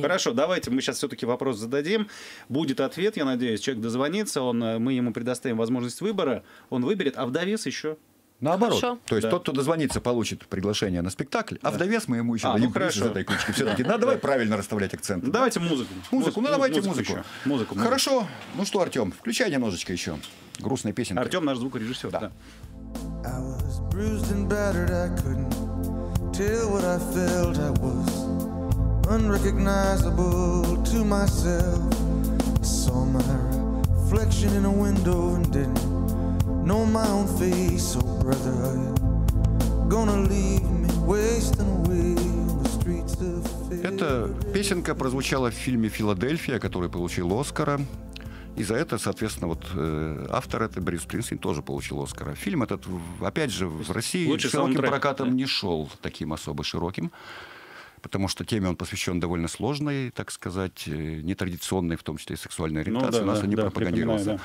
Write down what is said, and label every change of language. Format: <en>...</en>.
<ru>Хорошо, давайте мы сейчас все-таки вопрос зададим. Будет ответ, я надеюсь, человек дозвонится, мы ему предоставим возможность выбора, он выберет, а вдовес еще... Наоборот. Хорошо. То есть тот, кто дозвонится, получит приглашение на спектакль, а вдовес мы ему еще дадим приз из этой кучки. Все-таки давай правильно расставлять акценты. Давайте музыку. Музыку. Хорошо. Ну что, Артем, включай немножечко еще грустной песенки. Артем наш звукорежиссер. Да.</ru> <en>I was bruised and battered, I couldn't tell what I felt. I was unrecognizable to myself. I saw my reflection in a window and didn't know my own face. Oh brother, are you gonna leave me wasting away on the streets of Philadelphia?</en> <ru>Эта песенка прозвучала в фильме «Филадельфия», который получил Оскара. И за это, соответственно, вот автор этой, Брюс Спрингстин, тоже получил Оскара. Фильм этот, опять же, в России широким прокатом не шел таким особо широким, потому что теме он посвящен довольно сложной, так сказать, нетрадиционной, в том числе и сексуальной ориентации, не пропагандировался.</ru>